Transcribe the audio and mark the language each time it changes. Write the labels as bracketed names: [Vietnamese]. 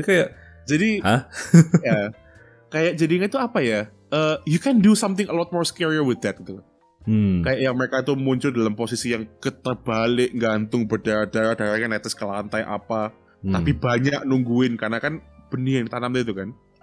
[Indonesian] Kayak jadinya itu apa ya? [English] You can do something a lot more scarier with that [Indonesian] gitu loh. Kayak yang mereka itu muncul dalam posisi yang keterbalik, gantung berdarah-darah, darahnya netes ke lantai apa. Tapi banyak nungguin karena kan benih yang ditanam itu kan.